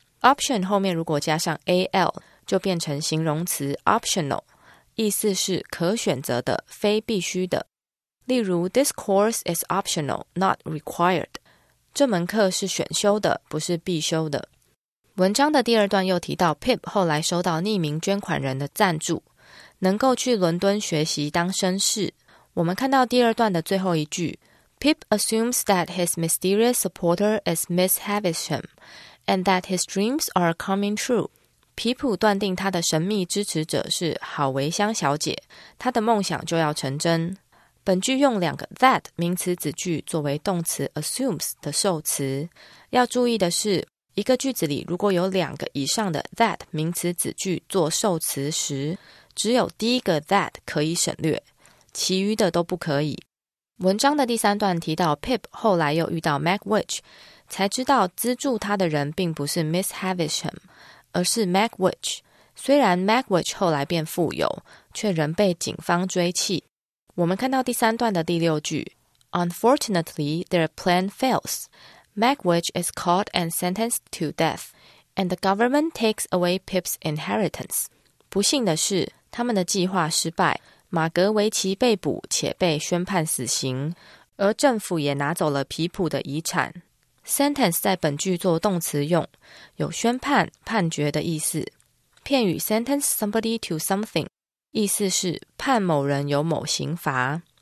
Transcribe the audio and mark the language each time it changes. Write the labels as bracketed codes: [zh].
[zh] Option 后面如果加上 AL, 就变成形容词 optional, 意思是可选择的、非必须的。例如 [en] ,this course is optional, not required. [zh] 这门课是选修的、不是必修的。文章的第二段又提到 Pip 后来收到匿名捐款人的赞助，能够去伦敦学习当绅士。我们看到第二段的最后一句 [en] ,Pip assumes that his mysterious supporter is Miss Havisham,and that his dreams are coming true. [zh] 皮普断定他的神秘支持者是郝维香小姐，他的梦想就要成真。本句用两个 that 名词子句作为动词 assumes 的受词。要注意的是，一个句子里如果有两个以上的 that 名词子句做受词时，只有第一个 that 可以省略，其余的都不可以。文章的第三段提到 Pip 后来又遇到 Mac Witch，才知道资助他的人并不是 Miss Havisham, 而是 Mac Witch。虽然 Mac Witch 后来变富有，却仍被警方追弃。我们看到第三段的第六句 [en] ,Unfortunately, their plan fails. Mac Witch is caught and sentenced to death, and the government takes away Pip's inheritance. [zh] 不幸的是，他们的计划失败，马格维奇被捕且被宣判死刑，而政府也拿走了皮普的遗产。 Sentence 在本句做动词用，有宣判、判决的意思。片语 [en] sentence somebody to something， [zh] 意思是判某人有某刑罚。